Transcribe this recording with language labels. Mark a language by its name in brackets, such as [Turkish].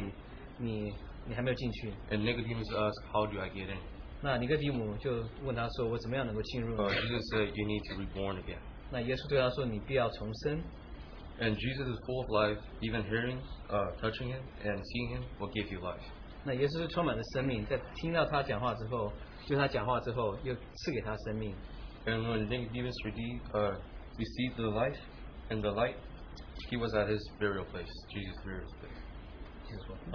[Chinese] 那耶稣对他说，你不在神国里，你还没有进去。 [English] And Nicodemus asked, how do I get in? [Chinese] 那尼哥底母就问他说，我怎么样能够进入？ [English] Jesus said, you need to be born again. [Chinese] 那耶稣对他说，你必要重生。 [English] And Jesus is full of life, even hearing, touching him, and seeing him will give you life. [Chinese] 那耶稣是充满了生命，在听到他讲话之后，就他讲话之后，又赐给他生命。 [English] And when Nicodemus received the life and the light, he was at his burial place, Jesus' burial place.